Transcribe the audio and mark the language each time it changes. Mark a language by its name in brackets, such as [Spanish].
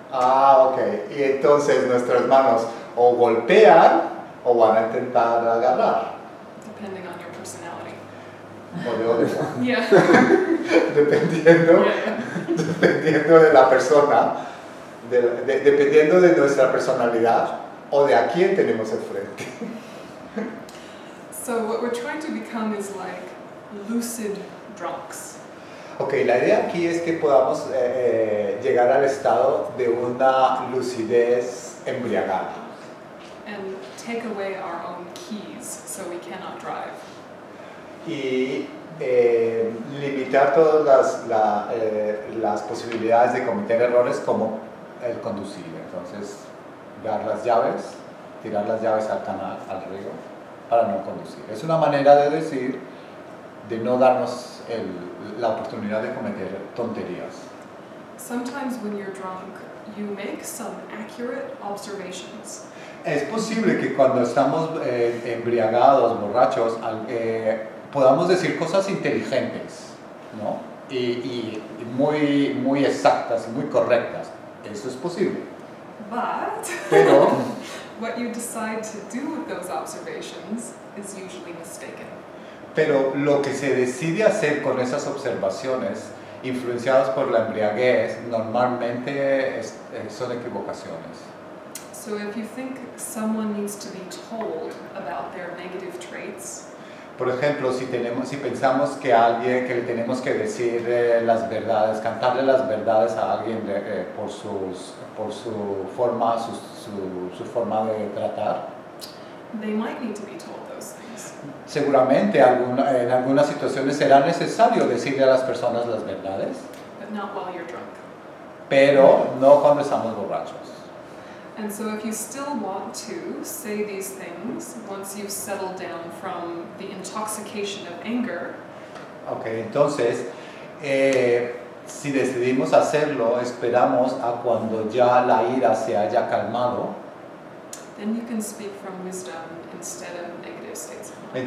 [Spanish] Ah, ok. Y entonces nuestras manos o golpean o van a intentar agarrar. [English] Depending on your personality. [Spanish] O de otra. [English] Yeah. [Spanish] Dependiendo de la persona, dependiendo de nuestra personalidad o de a quién tenemos enfrente. [English] So what we're trying to become is like lucid drunks. [Spanish] Okay, la idea aquí es que podamos llegar al estado de una lucidez embriagada. [English] And take away our own keys so we cannot drive. [Spanish] Y limitar todas las posibilidades de cometer errores como el conducir. Entonces, dar las llaves, tirar las llaves al canal, al río, para no conducir. Es una manera de decir, de no darnos la oportunidad de cometer tonterías. [English] Sometimes when you're drunk, you make some accurate observations. [Spanish] Es posible que cuando estamos embriagados, borrachos, podamos decir cosas inteligentes, ¿no? Y muy, muy exactas, muy correctas. Eso es posible. Pero [English] what you decide to do with those observations is usually mistaken. [Spanish] Pero lo que se decide hacer con esas observaciones, influenciadas por la embriaguez, normalmente son equivocaciones. [English] So if you think someone needs to be told about their negative traits, [Spanish] por ejemplo, si pensamos que a alguien que le tenemos que decir las verdades, cantarle las verdades a alguien por su forma de tratar, [English] they might need to be told those things. [Spanish] Seguramente en algunas situaciones será necesario decirle a las personas las verdades. [English] But not while you're drunk. [Spanish] Pero no cuando estamos borrachos. [English] And so if you still want to say these things once you've settled down from the intoxication of anger. [Spanish] Okay, entonces, si decidimos hacerlo, esperamos a cuando ya la ira se haya calmado. [English] Then you can speak from wisdom instead of negative states of mind.